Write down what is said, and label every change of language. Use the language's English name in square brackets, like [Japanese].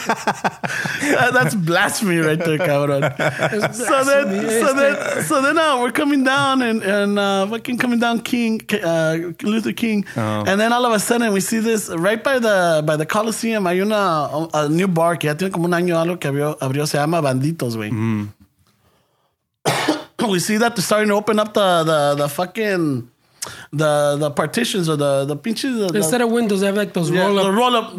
[English] That's blasphemy right there, cabrón. So then, we're coming down and fucking coming down Luther King. Oh. And then all of a sudden we see this right by the Coliseum. [Spanish] Hay una [English] a new bar [Spanish] que ya tiene como un año algo que abrió se llama Banditos, güey. [English] We see that they're starting to open up the fucking the partitions or the pinches. Instead of windows, they have like those roll up